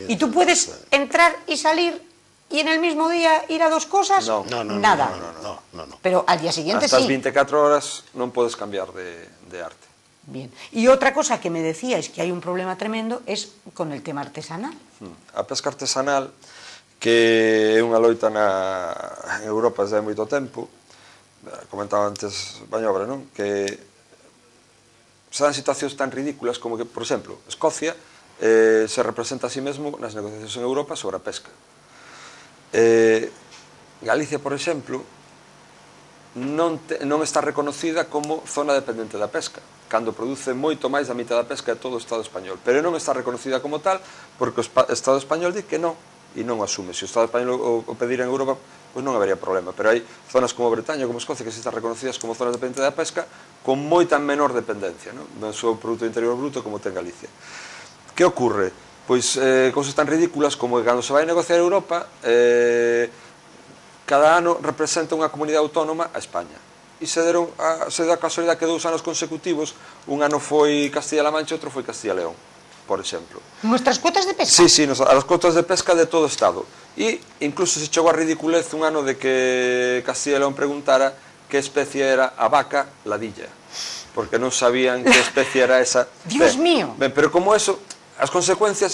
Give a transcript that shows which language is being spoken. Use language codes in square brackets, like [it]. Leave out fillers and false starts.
[es] Y tú puedes entrar y salir y en el mismo día ir a 2 cosas. No, no, nada. No. Pero al día siguiente hasta sí. Hasta 24 horas no puedes cambiar de arte. Bien. Y otra cosa que me decíais que hay un problema tremendo es con el tema artesanal. [gl] A pesca artesanal, que é unha loita na Europa desde moito tempo, comentaba antes Bañobra, non? Que se dan situacións tan ridículas como que, por exemplo, Escocia se representa a sí mesmo nas negociacións en Europa sobre a pesca. Galicia, por exemplo, non está reconocida como zona dependente da pesca, cando produce moito máis da mitad da pesca de todo o Estado español, pero non está reconocida como tal porque o Estado español di que non e non asume. Se o Estado español o pedir en Europa, pois non habería problema. Pero hai zonas como Bretaña, como Escocia, que se están reconocidas como zonas dependentes da pesca, con moita menor dependencia, non? Do seu Producto Interior Bruto, como ten Galicia. Que ocurre? Pois cousas tan ridículas como que cando se vai a negociar a Europa, cada ano representa unha comunidade autónoma a España. E se deu a casualidade que 2 anos consecutivos, un ano foi Castilla-La Mancha e outro foi Castilla-León. Por exemplo. [es] Nuestras cuotas de pesca. [gl] Sí, sí, as cuotas de pesca de todo o Estado. E incluso se chegou a ridiculez un ano de que Castilla e León preguntara que especie era a vaca ladilla, porque non sabían que especie era esa. [es] Dios mío. [gl] Ben, pero como eso, as consecuencias...